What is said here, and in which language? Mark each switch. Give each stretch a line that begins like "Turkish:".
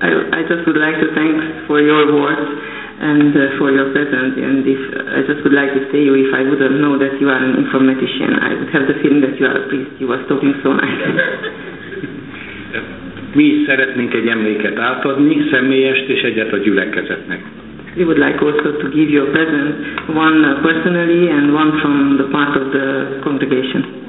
English: I just would like to thank for your words and for your presence, and if I just would like to say you, if I wouldn't know that you are an informatician, I would have the feeling that you are a priest. You were talking so nice.
Hungarian: Mi szeretnénk egy emléket átadni, személyest és egyet a gyülekezetnek.
English: We would like also to give you a present, one personally and one from the part of the congregation.